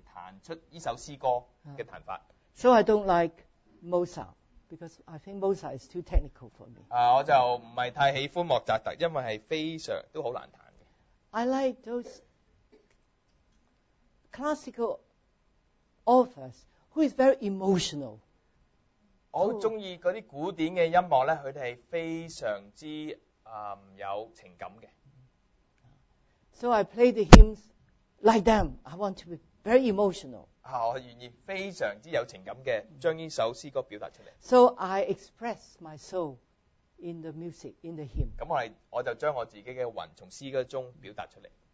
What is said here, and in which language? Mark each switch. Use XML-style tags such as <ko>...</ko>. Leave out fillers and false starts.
<zh>我都是懂弹琴的，并且我是非常有音乐感的，所以我就照着那些音乐就弹出来，靠着我自己的魂来弹出这首诗歌的弹法。</zh> <en>So I don't like Mozart because I think Mozart is too technical for me.</en> <zh>我就不太喜欢莫扎特，因为是非常都很难弹的。</zh> <en>I like those classical authors who is very emotional.</en> <zh>我喜欢那些古典的音乐，他们是非常有情感的。</zh> <en>So I play the hymns like them. I want to be very emotional.</en> <zh>我愿意非常有情感地将这首诗歌表达出来。</zh> <en>So I express my soul in the music, in the hymn.</en> <zh>我就将我自己的魂从诗歌中表达出来。</zh>